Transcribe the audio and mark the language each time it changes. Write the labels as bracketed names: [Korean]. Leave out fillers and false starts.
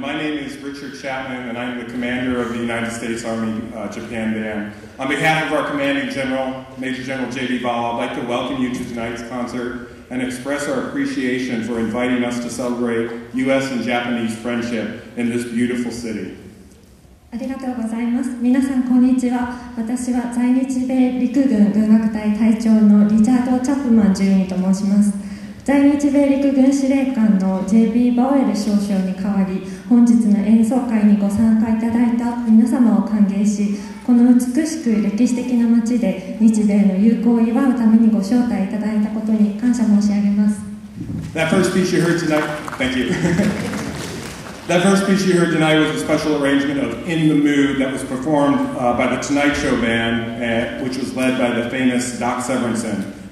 [English] My name is Richard Chapman, and I'm the commander of the United States Army Japan Band. On behalf of our commanding general, Major General J.D. Ball, I'd like to welcome you to tonight's concert and express our appreciation for inviting us to celebrate U.S. and Japanese friendship in this beautiful city. [Japanese] ありがとうございます。皆さんこんにちは。私は在日米陸軍軍楽隊隊長のリチャード・チャップマン准尉と申します。在日米陸軍司令官の J.B. バウエル少将に代わり、本日の演奏会にご参加いただいた皆様を歓迎し、この美しく歴史的な街で日米の友好を祝うためにご招待いただいたことに感謝申し上げます。 [English] That first piece you heard tonight, thank you. That first piece you heard tonight was a special arrangement of In the Mood that was performed by the Tonight Show Band, which was led by the famous Doc Severinsen.